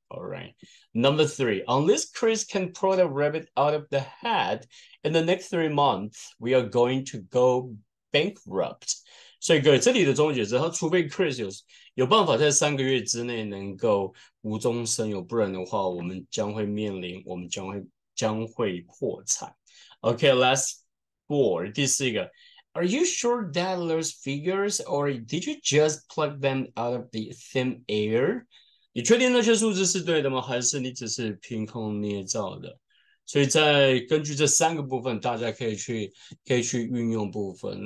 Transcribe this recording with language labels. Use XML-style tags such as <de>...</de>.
<en>All right. Number three, unless Chris can pull a rabbit out of the hat in the next 3 months, we are going to go bankrupt.</en> <zh>所以各位，这里的终结之后，除非 Chris 有办法在3个月之内能够无中生有，不然的话，我们将会破产。</zh> <en>Okay, last four,</en> <zh>第四个。</zh> <en>Are you sure that those figures, or did you just pluck them out of the thin air?</en> <zh>你确定那些数字是对的吗？还是你只是凭空捏造的？所以在根据这三个部分，大家可以去运用部分。</zh>